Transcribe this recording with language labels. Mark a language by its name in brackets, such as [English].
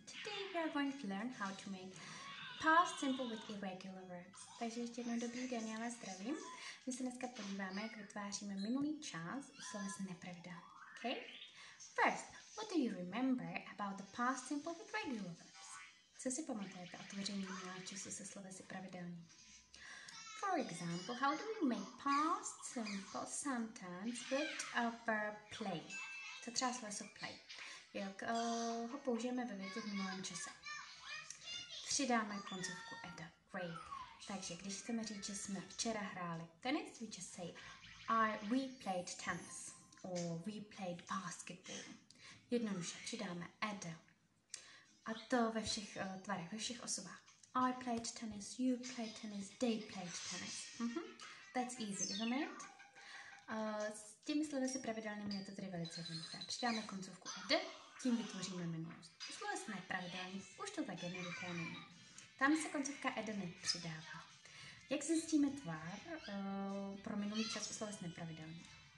[English] Today we are going to learn how to make past simple with irregular verbs. [Czech] Takže ještě jednou dobrý den, já vás zdravím. My se dneska podíváme, jak vytváříme minulý čas u slovesa nepravda. [English] Okay? First, what do you remember about the past simple with regular verbs? [Czech] Co si pamatujete o tvoření minulého času se slovesy pravidelně? [English] For example, how do we make past simple sometimes with a verb play? [Czech] To třeba sloveso play. Jak ho použijeme ve větě v minulém čase? Přidáme koncovku eda. Great. Takže když chceme říct, že jsme včera hráli tenis, [English] we just say we played tennis or we played basketball. [Czech] Jednoduše přidáme eda. A to ve všech tvarech, ve všech osobách. [English] I played tennis, you played tennis, they played tennis. That's easy, isn't it? [Czech] S těmi slovesy pravidelnými je to tedy velice jednoduché. Přidáme koncovku ed, tím vytvoříme minulost. U sloves nepravidelných už to tak jednoduché není. Tam se koncovka ed nepřidává. Jak zjistíme tvar pro minulý čas u sloves nepravidelných?